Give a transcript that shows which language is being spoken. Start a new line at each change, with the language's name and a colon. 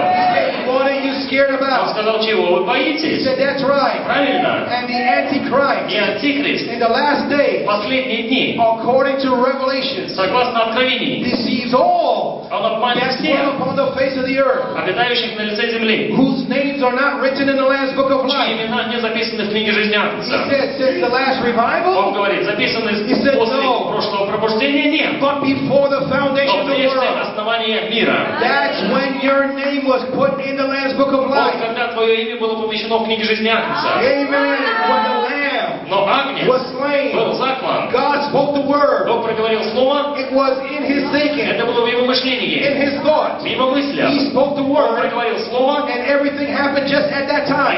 Russian: Он сказал, чего вы боитесь?
English: Said, that's right.
Russian: Правильно.
English: And the Antichrist.
Russian: И Антихрист.
English: In the last day.
Russian: Последние дни.
English: According to Revelation.
Russian: Согласно Откровению.
English: Deceives all.
Russian: Он обманет всех.
English: Upon the face of the earth.
Russian: Обитающих на лице земли.
English: Whose names are not written in the last book of life.
Russian: Чьи имена не записаны в книге жизни Агнца.
English: He said, since the last revival.
Russian: Он говорит, записаны после прошлого пробуждения нет.
English: But before the foundation of the world.
Russian: Но прежде основания мира.
English: That's when your name was put in the last book of life.
Russian: Вот когда твое имя было помещено в книге жизни Агнца.
English: Amen. When the Lamb.
Russian: Но Агнец
English: was slain.
Russian: Был заклан.
English: God spoke the word.
Russian: Бог проговорил слово.
English: It was in his thinking.
Russian: Это было в его мышлении.
English: In his thought,
Russian: в его мыслях,
English: he spoke the word,
Russian: он проговорил слово,
English: and everything happened just at that time.